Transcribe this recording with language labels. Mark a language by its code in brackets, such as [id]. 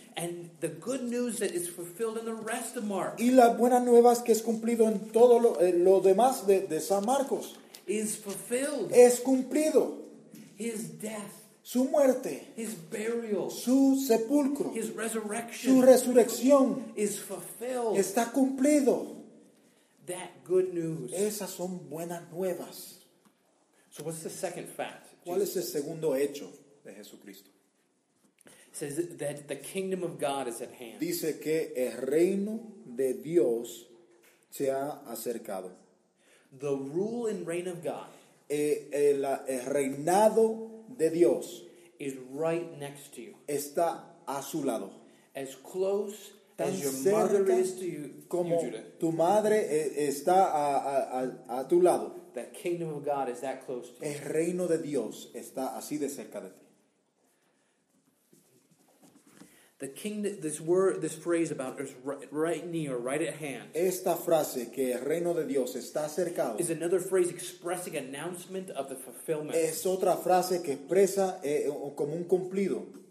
[en] And the good news that is fulfilled in the rest of Mark. [es] Y las buenas nuevas que es cumplido en todo lo demás de San Marcos. [en] Is fulfilled. [es] Es cumplido. [en] His death. [es] Su muerte. [en] His burial. [es] Su sepulcro. [en] His resurrection. [es] Su resurrección. [en] Is fulfilled. [es] Está cumplido. [en] That good news. [es] Esas son buenas nuevas. [en] So what's the second fact? [es] ¿Cuál es el segundo hecho de Jesucristo? [en] Says that the kingdom of God is at hand. [es] Dice que el reino de Dios se ha acercado. [en] The rule and reign of God. [es] El reinado de Dios [en] is right next to you. [es] Está a su lado. [en] As close as your mother is to you, [es] como [en] you, Judah. [es] Tu madre está a tu lado. [en] The kingdom of God is that close to you. [es] El reino de Dios está así de cerca de ti. [en] The kingdom, this word, this phrase about is right near, right at hand. [es] Esta frase, que el reino de Dios está acercado, [en] is another phrase expressing announcement of the fulfillment. [es] Es otra frase que expresa como un cumplido.